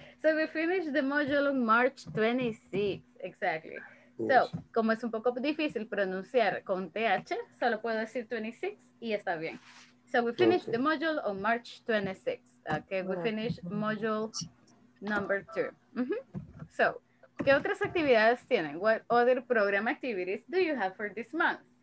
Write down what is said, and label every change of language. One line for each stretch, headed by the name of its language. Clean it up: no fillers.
English: So we finished the module on March 26th. Exactly. Yes.
Spanish: So, como es un poco difícil pronunciar con TH, solo puedo decir 26 y está bien.
English: So we finished the module on March 26th. Okay, we finished module number 2. Mm-hmm. So,
Spanish: ¿qué otras actividades tienen?
English: What other program activities do you have for this month?